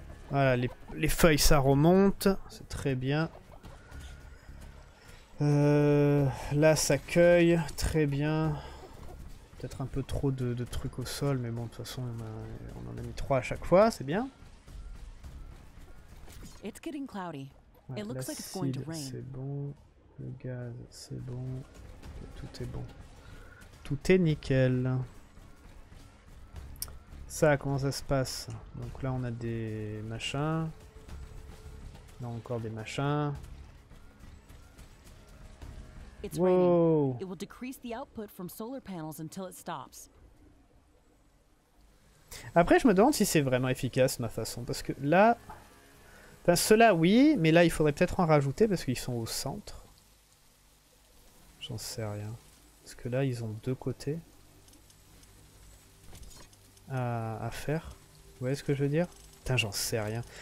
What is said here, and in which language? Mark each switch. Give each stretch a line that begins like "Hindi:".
French: Voilà, les feuilles, ça remonte, c'est très bien. Là ça cueille, très bien. Peut-être un peu trop de trucs au sol, mais bon, de toute façon, on en a mis 3 à chaque fois, c'est bien.
English: It's getting cloudy. It looks like it's going to rain.
French: C'est bon. Le gaz, c'est bon. Tout est bon. Tout est nickel. Ça, comment ça se passe? Donc là, on a des machins. Là, encore des machins.
English: It's raining. It will decrease the output from solar panels until it stops.
French: Après, je me demande si c'est vraiment efficace ma façon, parce que là, enfin ceux-là oui, mais là il faudrait peut-être en rajouter parce qu'ils sont au centre. J'en sais rien. Parce que là, ils ont deux côtés à faire. Vous voyez ce que je veux dire? Putain, j'en sais rien.